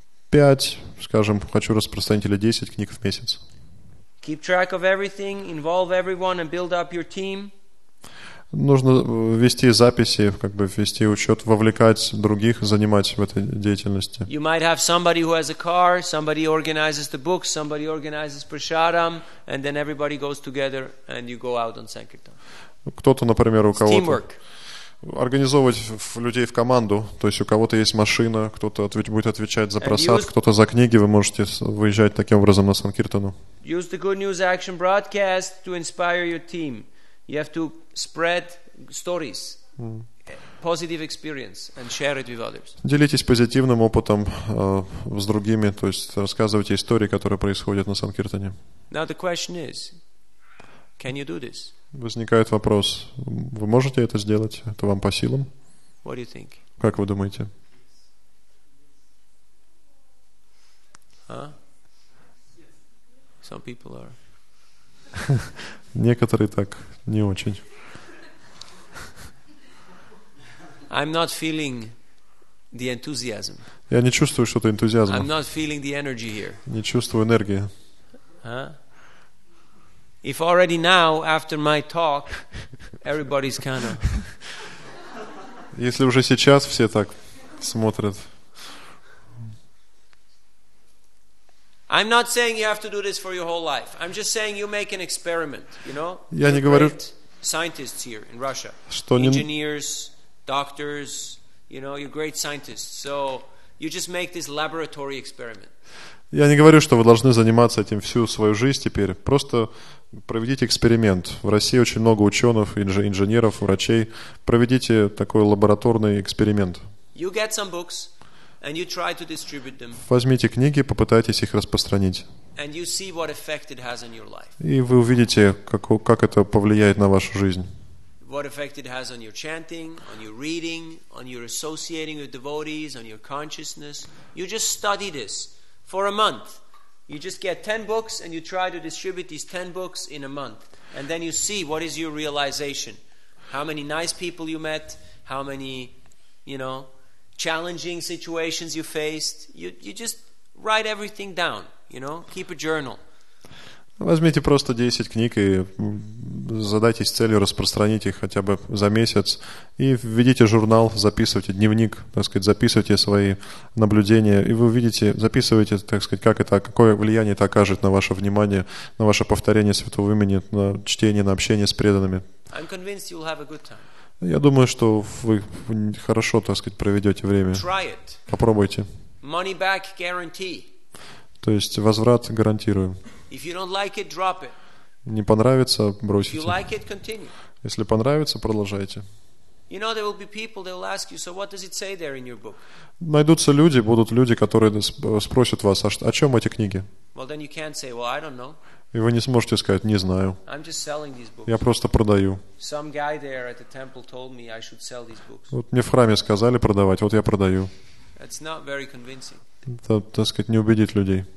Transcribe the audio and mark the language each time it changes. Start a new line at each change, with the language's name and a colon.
Russian: 5, скажем, хочу распространить или 10 книг в месяц.
English: Keep track of everything, involve everyone and build up your team.
Russian: Нужно вести записи, как бы вести учет, вовлекать других, занимать в этой деятельности.
English: You might have somebody who has a car, somebody organizes the books, somebody organizes prasadam, and then everybody goes together and you go out on Sankirtan.
Russian: Кто-то, например, у кого-то организовывать людей в команду, то есть у кого-то есть машина, кто-то будет отвечать за просад, кто-то за книги, вы можете выезжать таким образом на Санкиртану.
English: Use the Good News Action broadcast to inspire your team. You have to spread stories, positive experience, and share it with others.
Russian: Делитесь позитивным опытом с другими, то есть рассказывайте истории, которые происходят на Санкиртане.
English: Now the question is, can you do this?
Russian: Возникает вопрос, вы можете это сделать? Это вам по силам?
English: What do you think?
Russian: Как вы думаете?
English: Some people are.
Russian: Некоторые так, не очень.
English: I'm not feeling the enthusiasm.
Russian: Я не чувствую что-то энтузиазма.
English: I'm not feeling the energy here.
Russian: Не чувствую энергии.
English: If already now, after my talk, everybody's kind of...
Russian: Если уже сейчас все так смотрят.
English: I'm not saying you have to do this for your whole life. I'm just saying you make an experiment, you know?
Russian: Я не говорю...
English: Scientists here in Russia.
Russian: Что
English: engineers, doctors, you know, you're great scientists. So you just make this laboratory experiment.
Russian: Я не говорю, что вы должны заниматься этим всю свою жизнь теперь. Просто проведите эксперимент. В России очень много ученых, инженеров, врачей. Проведите такой лабораторный эксперимент.
English: You get some books and you try to distribute them.
Russian: Возьмите книги, попытайтесь их распространить.
English: And you see what effect it has on your life.
Russian: И вы увидите, как это повлияет на вашу жизнь.
English: What effect it has on your chanting, on your reading, on your associating with devotees, on your consciousness. You just study this. For a month, you just get 10 books and you try to distribute these 10 books in a month. And then you see what is your realization. How many nice people you met, how many, you know, challenging situations you faced. You just write everything down, you know, keep a journal.
Russian: Возьмите просто 10 книг и задайтесь целью распространить их хотя бы за месяц. И введите журнал, записывайте дневник, так сказать, записывайте свои наблюдения. И вы увидите, записывайте, так сказать, какое влияние это окажет на ваше внимание, на ваше повторение святого имени, на чтение, на общение с преданными.
English: I'm convinced you'll have a good time.
Russian: Я думаю, что вы хорошо, так сказать, проведете время.
English: Try it.
Russian: Попробуйте.
English: Money back guarantee.
Russian: То есть возврат гарантируем.
English: If you don't like it, drop it.
Russian: Не понравится, бросите.
English: If you like it, continue.
Russian: Если понравится, продолжайте.
English: You know, there will be people, they will ask you, so what does it say there in your book?
Russian: Найдутся люди, будут люди, которые спросят вас, о чем эти книги?
English: Well, then you can't say, well, I don't know.
Russian: И вы не сможете сказать, не знаю.
English: I'm just selling these books.
Russian: Я просто продаю.
English: Some guy there at the temple told me I should sell these books.
Russian: Вот мне в храме сказали продавать, вот я продаю.
English: That's not very convincing.
Russian: Это, так сказать, не убедит людей.